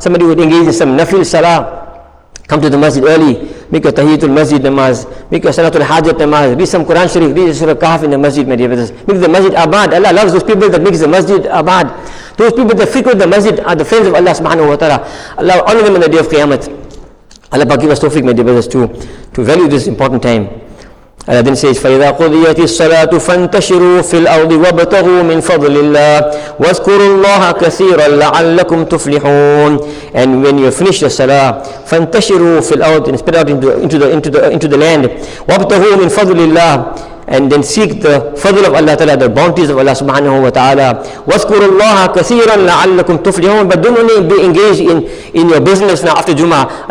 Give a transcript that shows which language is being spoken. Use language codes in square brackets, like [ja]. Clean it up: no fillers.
[en] Somebody would engage in some Nafil Salah. Come to the masjid early, make your Tahiyyatul Masjid namaz, make your Salatul Hajat namaz, read some Quran Sharif, read the Surah Kahf in the masjid, my dear brothers. Make the masjid abad. Allah loves those people that make the masjid abad. Those people that frequent the masjid are the friends of Allah subhanahu wa ta'ala. Allah will honor them on the day of Qiyamah. Allah will give us tawfiq, my dear brothers, to value this important time. Allah then says, [ar] فَإِذَا قُضِيَتِ الصَّلَاةُ فَانْتَشِرُوا فِي الْأَرْضِ وَابْتَغُوا مِنْ فَضْلِ اللَّهِ وَاذْكُرُوا اللَّهَ كَثِيرًا لَعَلَّكُمْ تُفْلِحُونَ. [en] And when you finish the salah, [ar] فَانْتَشِرُوا فِي الْأَرْضِ, [en] and spread out into the land, [ar] وَابْتَغُوا مِنْ فَضْلِ اللَّهِ, [en] and then seek the fadl of Allah Ta'ala, the bounties of Allah subhanahu wa ta'ala. [ar] وَاذْكُرُوا اللَّهَ كَثِيرًا لَعَلَّكُمْ تُفْلِحُونَ. [en] But don't only be engaged in your business now after Jumu'ah.